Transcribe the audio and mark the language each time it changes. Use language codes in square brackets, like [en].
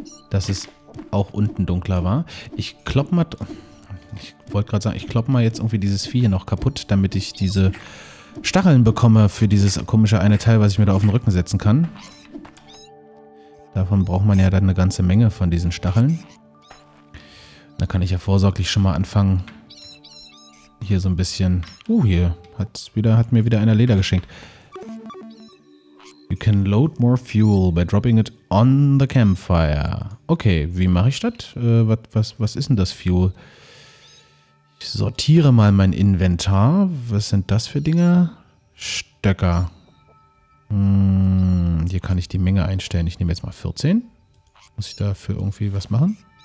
[de] Dass es auch unten dunkler war. Ich klopp mal... Ich wollte gerade sagen, ich klopp mal jetzt irgendwie dieses Vieh hier noch kaputt, damit ich diese Stacheln bekomme für dieses komische eine Teil, was ich mir da auf den Rücken setzen kann. Davon braucht man ja dann eine ganze Menge von diesen Stacheln. Da kann ich ja vorsorglich schon mal anfangen, hier so ein bisschen... hier hat mir wieder einer Leder geschenkt. [en] You can load more fuel by dropping it on the campfire. [de] Okay, wie mache ich das? Was ist denn das Fuel? Ich sortiere mal mein Inventar. Was sind das für Dinge? Stöcker. Hier kann ich die Menge einstellen. Ich nehme jetzt mal 14. Muss ich dafür irgendwie was machen?